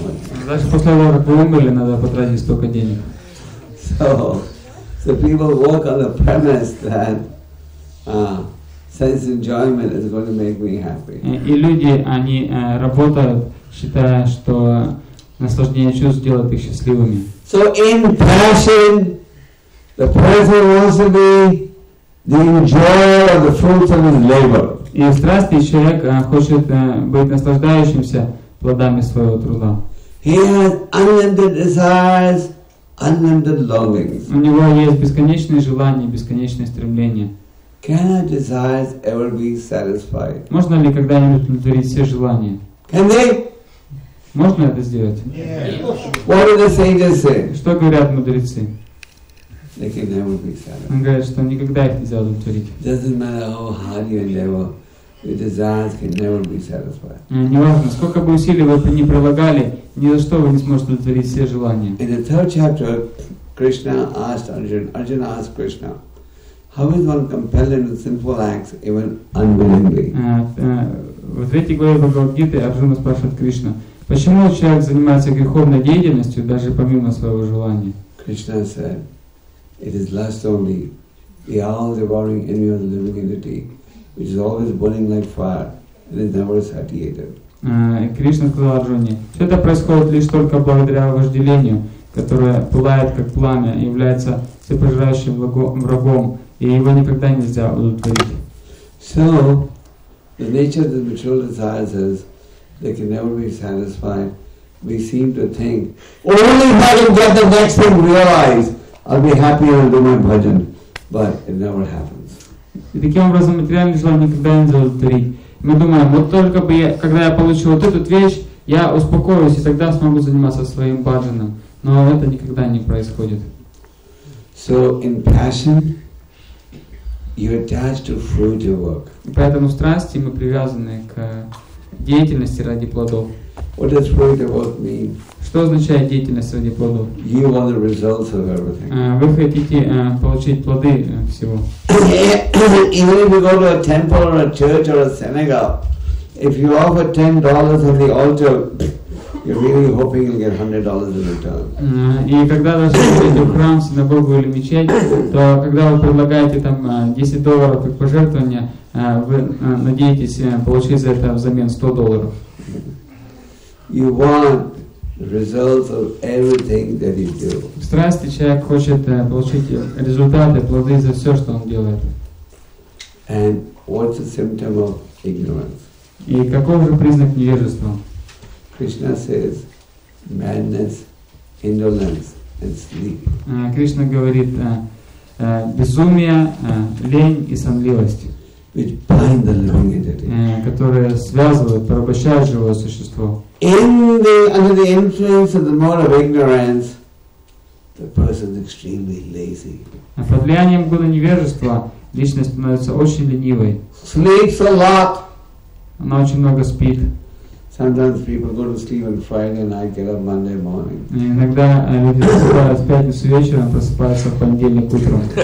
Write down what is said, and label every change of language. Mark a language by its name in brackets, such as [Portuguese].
[English] Even after you die, you have to spend so much money. So people work on the premise that sense enjoyment is going to make me happy. [Russian] И люди, они работают, считая, что наслаждение чувств делает их счастливыми. [English] So in passion, the person wants to be the enjoyer of the fruits of his labor. [Russian] И в страсти человек хочет быть наслаждающимся плодами своего труда. [English] He has unlimited desires, unlimited longings. [Russian] У него есть бесконечные желания, бесконечные стремления. [English] Can our desires ever be satisfied? [Russian] Можно ли когда-нибудь удовлетворить все желания? [English] Can they? [Russian] Можно это сделать? [English] Yeah. What do the sages say? [Russian] Что говорят мудрецы? [English] They can never be satisfied. [Russian] Он говорит, что никогда их нельзя удовлетворить. [English] Doesn't matter how hard you endeavor, your desires can never be satisfied. [Russian] Неважно, сколько бы усилий вы ни прилагали, ни за что вы не сможете удовлетворить все желания. [English] In the third chapter, Krishna asked Arjuna. Arjuna asked Krishna, how is one compelled into sinful acts even unwillingly? [Russian] В третьей главе Бхагавад-гиты Арджуна спрашивает Кришна, почему человек занимается греховной деятельностью даже помимо своего желания? [English] Krishna said, it is lust only, the all-devouring envy of the living entity, which is always burning like fire and is never satiated. [Russian] Кришна сказал Арджуне, все это происходит лишь только благодаря вожделению, которое пылает как пламя и является всепожирающим врагом, и его никогда нельзя удовлетворить. [English] So, the nature of the material desires is they can never be satisfied. We seem to think, only if I can get the next thing realized, I'll be happy and I'll do my bhajan, but it never happens. [Russian] И таким образом материальные желания никогда не удовлетворить. Мы думаем, вот только бы я, когда я получу вот эту вещь, я успокоюсь и тогда смогу заниматься своим бхаджаном. Но это никогда не происходит. [English] So in passion, you're attached to fruit of work. [Russian] Поэтому в страсти мы привязаны к деятельности ради плодов. [English] What does fruit of work mean? [Russian] Что означает деятельность ради плодов? [English] You want the results of everything. [Russian] Вы хотите получить плоды всего. [English] Even if you go to a temple or a church or a synagogue, if you offer $10 on the altar, you're really hoping you'll get $100 in return. [Russian] И когда даже идете в храм, синагогу или мечеть, то когда вы предлагаете там $10 как пожертвование, вы надеетесь получить за это взамен $100. [English] You want results of everything that you do. [Russian] В страсти человек хочет получить результаты, плоды за все, что он делает. [English] And what's the symptom of ignorance? [Russian] И каков же признак невежества? [English] Krishna says madness, indolence, and sleep. [Russian] Кришна говорит безумие, лень и сонливость. [English] Which bind the living entity. [Russian] Которые связывают, порабощают живое существо. [English] Under the influence of the mode of ignorance, the person is extremely lazy. [Russian] Под влиянием гуна невежества личность становится очень ленивой. [English] Sleeps a lot. [Russian] Она очень много спит. [English] Sometimes people go to sleep on Friday night, get up Monday morning. [Russian] Иногда люди засыпают в пятницу вечером, просыпаются в понедельник утром.